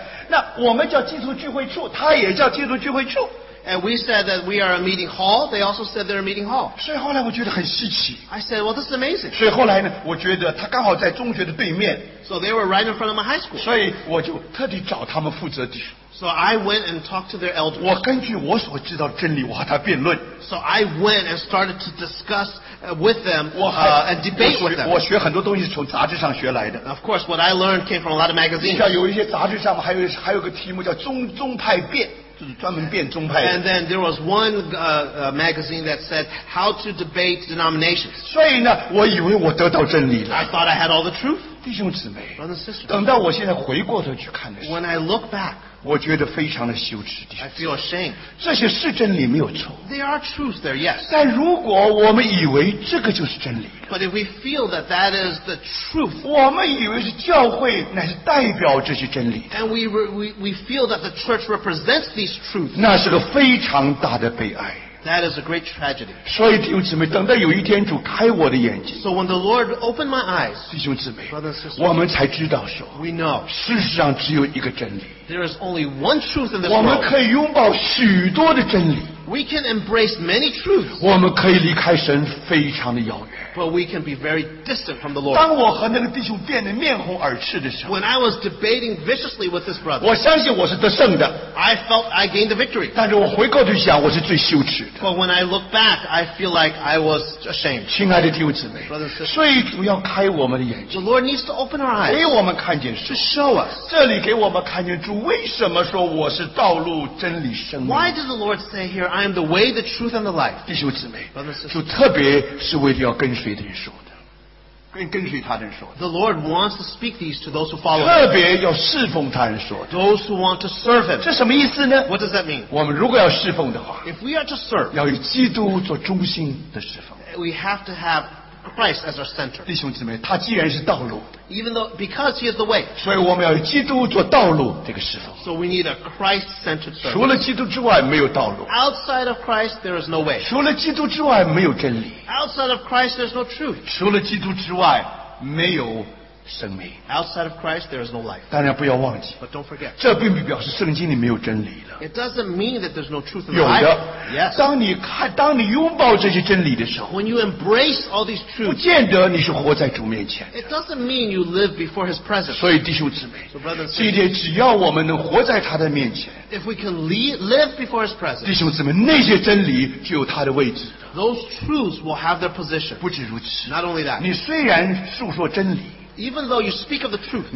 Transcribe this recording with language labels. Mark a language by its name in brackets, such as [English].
[Chinese] 那我们叫基督聚会处, 他也叫基督聚会处。 [English] And we said that we are a meeting hall. They also said they're a meeting hall. [Chinese] 所以后来我觉得很稀奇。 [English] I said, well, this is amazing. [Chinese] 所以后来呢，我觉得他刚好在中学的对面。 [English] So they were right in front of my high school. [Chinese] 所以我就特地找他们负责弟兄。 [English] So I went and talked to their elders. [Chinese] 我根据我所知道的真理，我和他辩论。 [English] So I went and started to discuss with them and debate with them. [Chinese] 我学很多东西是从杂志上学来的。 [English] Of course, what I learned came from a lot of magazines. [Chinese] 像有一些杂志上面还有个题目叫宗派辩。 [English] And then there was one magazine that said how to debate denominations. [Chinese] 所以呢，我以为我得到真理了。 [English] I thought I had all the truth. [Chinese] 弟兄姊妹 [English] brothers and sisters, [Chinese] 等到我现在回过头去看的时候 [English] when I look back, [Chinese] 我觉得非常的羞耻。 [English] I feel ashamed. [Chinese] 这些是真理没有错。 [English] There are truths there, yes. [Chinese] 但如果我们以为这个就是真理 [English] but if we feel that that is the truth, [Chinese] 我们以为是教会乃是代表这些真理 [English] and we feel that the church represents these truths, [Chinese] 那是个非常大的悲哀。 [English] That is a great tragedy. [Chinese] 所以弟兄姊妹，等到有一天主开我的眼睛 [English] ，So when the Lord opened my eyes, [Chinese] 弟兄姊妹 [English] brothers and sisters, [Chinese] 我们才知道说 [English] ，We know, [Chinese] 事实上只有一个真理。 [English] There is only one truth in this world. [Chinese] 我们可以拥抱许多的真理。 [English] We can embrace many truths. [Chinese] 我们可以离开神非常的遥远。 [English] But we can be very distant from the Lord. [Chinese] 当我和那个弟兄辩得面红耳赤的时候 [English] ，When I was debating viciously with this brother, [Chinese] 我相信我是得胜的。 [English] I felt I gained the victory. [Chinese] 但是我回过去想，我是最羞耻的。 [English] But when I look back, I feel like I was ashamed. [Chinese] 亲爱的弟兄姊妹 [English] ，brothers and sisters, [Chinese] 所以主要开我们的眼睛。 [English] The Lord needs to open our eyes. [Chinese] 给我们看见神 [English] ，to show us. [Chinese] 这里给我们看见主为什么说我是道路、真理、生命。 [English] Why does the Lord say here, I am the way, the truth, and the life? [Chinese] 弟兄姊妹 [English] ，brothers and sisters, [Chinese] 主特别是为了要跟随的人说的。 [English] The Lord wants to speak these to those who follow him. [Chinese] 特别要侍奉他人说的。 [English] Those who want to serve him. [Chinese] 这什么意思呢 [English] ？What does that mean? [Chinese] 我们如果要侍奉的话 [English] ，If we are to serve, [Chinese] 要以基督做中心的侍奉。 [English] We have to have Christ as our center. [Chinese] 弟兄姊妹，他既然是道路 [English] ，Even though because he is the way, [Chinese] 所以我们要以基督做道路这个侍奉。 [English] So we need a Christ-centered service. [Chinese] 除了基督之外，没有道路。 [English] Outside of Christ, there is no way. [Chinese] 除了基督之外，没有真理。 [English] Outside of Christ, there is no truth. [Chinese] 除了基督之外，没有生命。 [English] Outside of Christ, there is no life. [Chinese] 当然不要忘记。 [English] But don't forget. [Chinese] 这并不表示圣经里没有真理了。 [English] It doesn't mean that there's no truth in the Bible. [Chinese] 有的。 [English] Yes. [Chinese] 当你拥抱这些真理的时候 [English] ，When you embrace all these truths, [Chinese] 不见得你是活在主面前。 [English] It doesn't mean you live before His presence. [Chinese] 所以弟兄姊妹 [English] ，So brothers, [Chinese] 这一点只要我们能活在他的面前 [English] ，If we can live before His presence, [Chinese] 弟兄姊妹，那些真理就有它的位置。 [English] Those truths will have their position. [Chinese] 不止如此 [English] ，Not only that. [Chinese] 你虽然述说真理。 [English] Even though you speak of the truth,